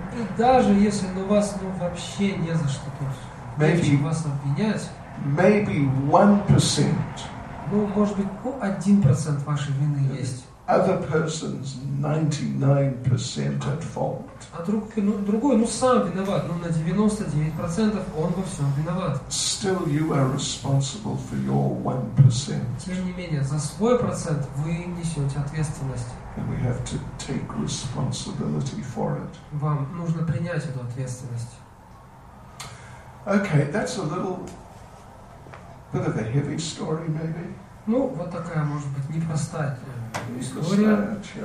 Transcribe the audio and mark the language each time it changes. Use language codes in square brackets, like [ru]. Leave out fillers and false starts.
[ru] И даже если на вас вообще не за что тут. [en] Maybe [ru] вас обвинять. [en] Maybe 1%. [ru] Ну, может быть, 1% вашей вины есть. [en] Other person's 99% at fault. [ru] А другой, сам виноват, на 99% он во всем виноват. [en] Still you are responsible for your 1%. [ru] Тем не менее, за свой процент вы несете ответственность. [en] And we have to take responsibility for it. [ru] Вам нужно принять эту ответственность. [en] Okay, that's a little bit of a heavy story, maybe. [ru] Ну, вот такая, может быть, непростая история.